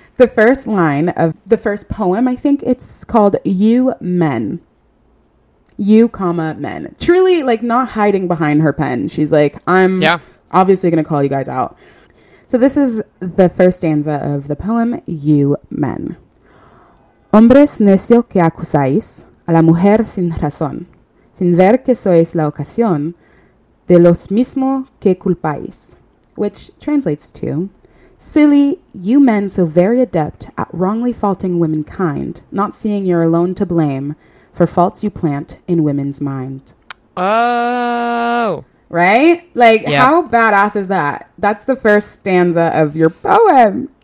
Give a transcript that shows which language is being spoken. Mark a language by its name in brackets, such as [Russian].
[English] The first line of the first poem, I think it's called You Men. You, comma, men. Truly, like, not hiding behind her pen. She's like, I'm obviously going to call you guys out. So this is the first stanza of the poem, You Men. [Spanish] Hombres necio que acusáis a la mujer sin razón, sin ver que sois la ocasión de los mismo que culpáis. [English] Which translates to, silly, you men so very adept at wrongly faulting womankind, not seeing you're alone to blame for faults you plant in women's mind. Oh. Right? Like, how badass is that? That's the first stanza of your poem.